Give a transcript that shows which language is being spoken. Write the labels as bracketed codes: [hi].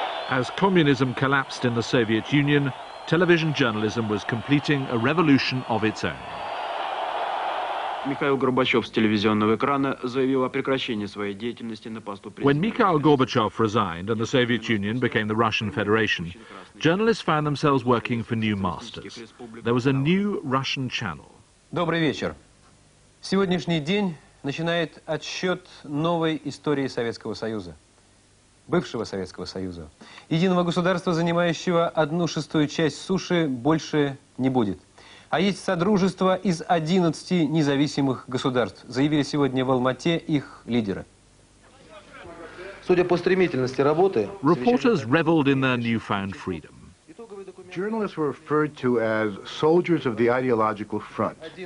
[en] As communism collapsed in the Soviet Union, television journalism was completing a revolution of its own. When Mikhail Gorbachev resigned and the Soviet Union became the Russian Federation, journalists found themselves working for new masters. There was a new Russian channel. [ru] Добрый вечер. Сегодняшний день начинает отсчет новой истории Советского Союза. Бывшего Советского Союза. Единого государства, занимающего 1/6 часть суши, больше не будет. А есть содружество из 11 независимых государств, заявили сегодня в Алмате их лидеры. Судя по стремительности работы... [en] Reporters reveled in their newfound freedom. Journalists were referred to as soldiers of the ideological front.